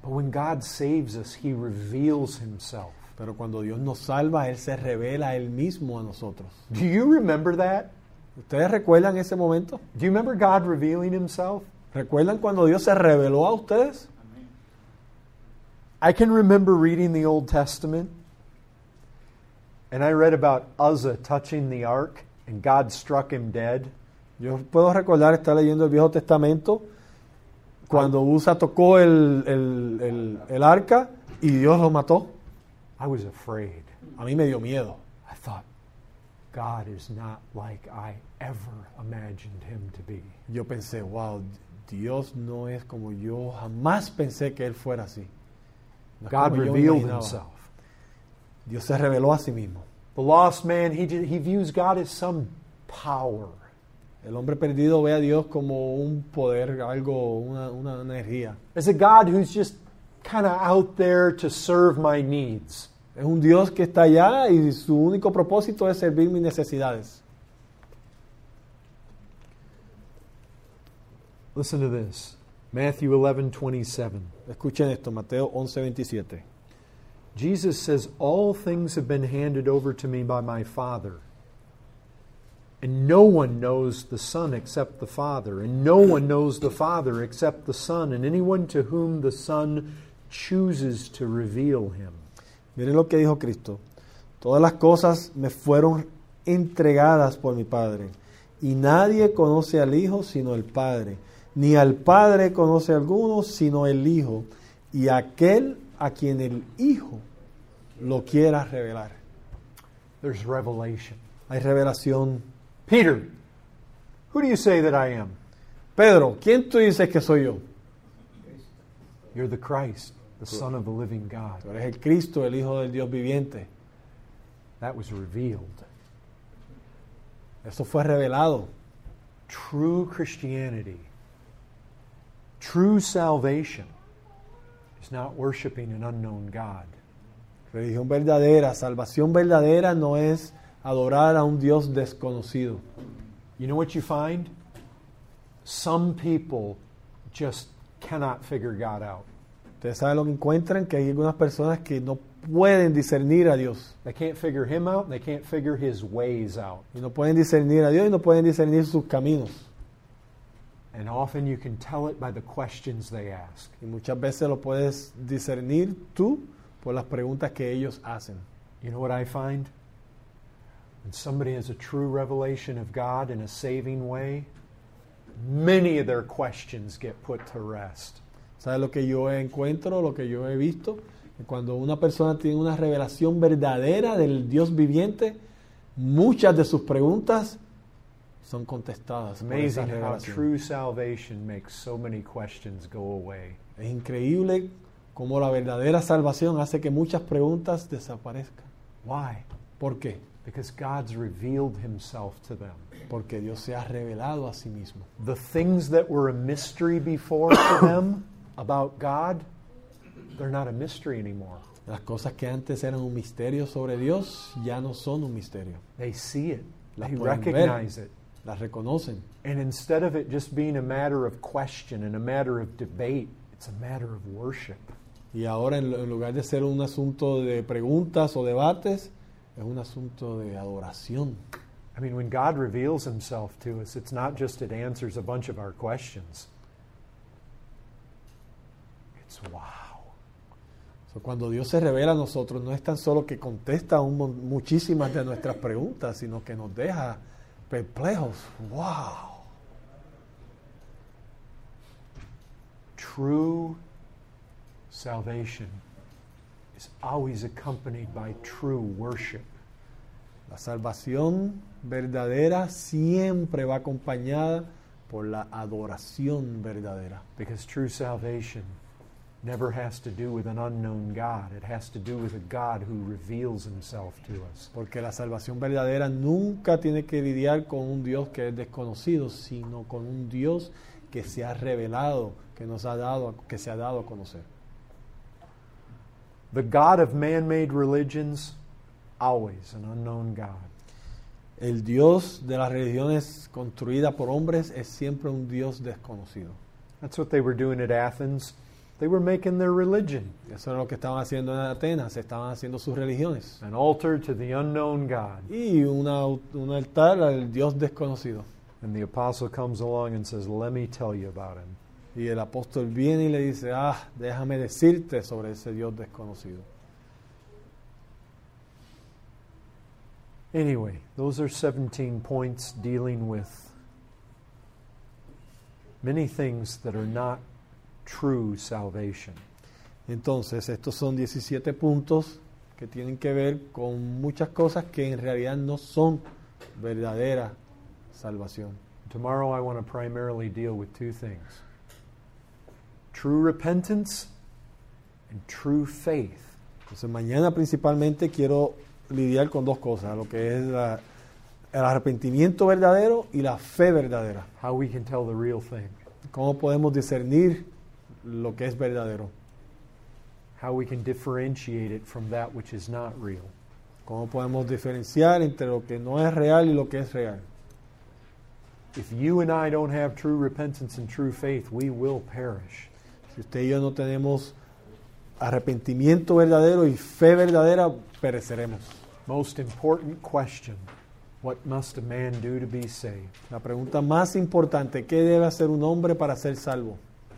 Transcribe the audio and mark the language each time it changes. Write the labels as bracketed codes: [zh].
[en] But when God saves us, he reveals himself. [es] Pero cuando Dios nos salva, Él se revela Él mismo a nosotros. [en] Do you remember that? [es] ¿Ustedes recuerdan ese momento? [en] Do you remember God revealing himself? [es] ¿Recuerdan cuando Dios se reveló a ustedes? [en] I can remember reading the Old Testament, and I read about Uzzah touching the ark, and God struck him dead. [es] Yo puedo recordar estar leyendo el Viejo Testamento cuando Uzzah tocó el arca y Dios lo mató. [en] I was afraid. [es] A mí me dio miedo. [en] I thought, God is not like I ever imagined him to be. [es] Yo pensé, wow, Dios no es como yo jamás pensé que él fuera así. [en] No God revealed himself. [es] Dios se reveló a sí mismo. [en] The lost man, he views God as some power. [es] El hombre perdido ve a Dios como un poder, algo, una energía. [en] It's a God who's just kind of out there to serve my needs. [es] Es un Dios que está allá y su único propósito es servir mis necesidades. [en] Listen to this. Matthew 11:27. [es] Escuchen esto, Mateo 11:27. [en] Jesus says, "All things have been handed over to me by my Father. And no one knows the Son except the Father. And no one knows the Father except the Son. And anyone to whom the Son chooses to reveal him." [es] Miren lo que dijo Cristo. Todas las cosas me fueron entregadas por mi Padre. Y nadie conoce al Hijo sino el Padre. Ni al Padre conoce alguno sino el Hijo. Y aquel a quien el Hijo lo quiera revelar. [en] There's revelation. [es] Hay revelación. [en] Peter, who do you say that I am? [es] Pedro, ¿quién tú dices que soy yo? [en] You're the Christ, the Son of the living God. [es] Tú eres el Cristo, el Hijo del Dios viviente. [en] That was revealed. [es] Eso fue revelado. [en] True Christianity, true salvation, is not worshiping an unknown God. [es] Religión verdadera, salvación verdadera no es adorar a un Dios desconocido. [en] You know what you find? Some people just cannot figure God out. [es] ¿Ustedes saben lo que encuentran? Que hay algunas personas que no pueden discernir a Dios. [en] They can't figure him out, and they can't figure his ways out. [es] Y no pueden discernir a Dios y no pueden discernir sus caminos. [en] And often you can tell it by the questions they ask. [es] Y muchas veces lo puedes discernir tú por las preguntas que ellos hacen. [en] You know what I find? And somebody has a true revelation of God in a saving way, many of their questions get put to rest. [es] ¿Sabes lo que yo encuentro, lo que yo he visto? Cuando una persona tiene una revelación verdadera del Dios viviente, muchas de sus preguntas son contestadas. [en] Amazing how true salvation makes so many questions go away. [es] Es increíble como la verdadera salvación hace que muchas preguntas desaparezcan. [en] Why? [es] ¿Por qué? [en] Because God's revealed himself to them. [es] Porque Dios se ha revelado a sí mismo. [en] The things that were a mystery before to them about God, they're not a mystery anymore. [es] Las cosas que antes eran un misterio sobre Dios ya no son un misterio. [en] They see it. Las they recognize it. [es] Las reconocen. [en] And instead of it just being a matter of question and a matter of debate, it's a matter of worship. [es] Y ahora en lugar de ser un asunto de preguntas o debates, es un asunto de adoración. [en] I mean, when God reveals himself to us, it's not just it answers a bunch of our questions. It's wow. [es] So cuando Dios se revela a nosotros, no es tan solo que contesta muchísimas de nuestras preguntas, sino que nos deja perplejos. Wow. [en] True salvation is always accompanied by true worship. [es] La salvación verdadera siempre va acompañada por la adoración verdadera. [en] Because true salvation never has to do with an unknown God. It has to do with a God who reveals himself to us. [es] Porque la salvación verdadera nunca tiene que lidiar con un Dios que es desconocido, sino con un Dios que se ha revelado, que se ha dado a conocer. [en] The God of man-made religions, always an unknown God. [es] El Dios de las religiones construidas por hombres es siempre un Dios desconocido. [en] That's what they were doing at Athens. They were making their religion. [es] Eso era lo que estaban haciendo en Atenas. Estaban haciendo sus religiones. [en] An altar to the unknown God. [es] Y un altar al Dios desconocido. [en] And the apostle comes along and says, "Let me tell you about him." [es] Y el apóstol viene y le dice, "Ah, déjame decirte sobre ese Dios desconocido." [en] Anyway, those are 17 points dealing with many things that are not true salvation. [es] Entonces, estos son 17 puntos que tienen que ver con muchas cosas que en realidad no son verdadera salvación. [en] Tomorrow I want to primarily deal with two things: true repentance and true faith. [es] Entonces, mañana principalmente quiero lidiar con dos cosas, lo que es el arrepentimiento verdadero y la fe verdadera. [en] How we can tell the real thing. [es] ¿Cómo podemos discernir lo que es verdadero? [en] How we can differentiate it from that which is not real. [es] ¿Cómo podemos diferenciar entre lo que no es real y lo que es real? [en] If you and I don't have true repentance and true faith, we will perish. [es] Si usted y yo no tenemos arrepentimiento verdadero y fe verdadera, pereceremos. [en] Most important question: what must a man do to be saved? [es] La pregunta más importante: ¿qué debe hacer un hombre para ser salvo?